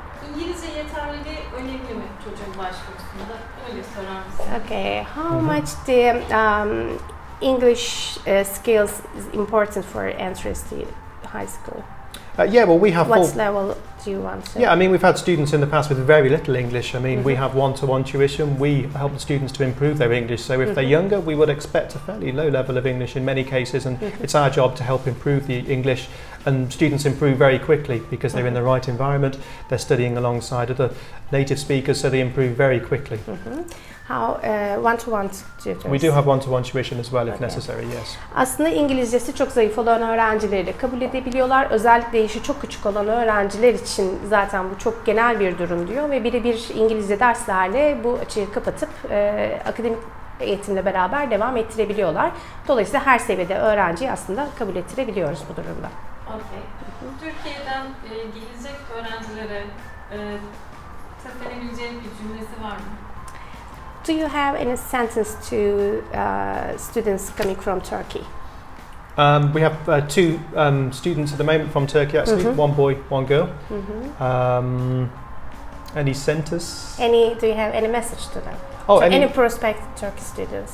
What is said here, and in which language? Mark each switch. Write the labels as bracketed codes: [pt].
[tr] İngilizce yeterli ve önemli mi çocuğun başvurusunda? Öyle sorar mısın? [en] Okay, how much the English skills is important for entrance to high school? Well, we have what level do you want to? Yeah, I mean, we've had students in the past with very little English. I mean, we have one-to-one tuition. We help the students to improve their English. So if they're younger, we would expect a fairly low level of English in many cases. And it's our job to help improve the English And students improve very quickly because they're mm-hmm. in the right environment, they're studying alongside other native speakers, so they improve very quickly. Mm-hmm. How one-to-one tutors? We do have one-to-one tuition as well, if okay. necessary, yes. [tr] Aslında İngilizcesi çok zayıf olan öğrencileri de kabul edebiliyorlar. Özellikle yaşı çok küçük olan öğrenciler için zaten bu çok genel bir durum diyor. Ve birebir İngilizce derslerle bu açığı kapatıp akademik eğitimle beraber devam ettirebiliyorlar. Dolayısıyla her seviyede öğrenciyi aslında kabul ettirebiliyoruz bu durumda. [en] Okay. [tr] Türkiye'den gelecek öğrencilere seslenebilecek bir cümlesi var mı? [en] Do you have any sentence to students coming from Turkey? We have two students at the moment from Turkey, actually. Mm-hmm. One boy, one girl. Mm-hmm. Any sentence? Do you have any message to them? Any prospective Turkish students?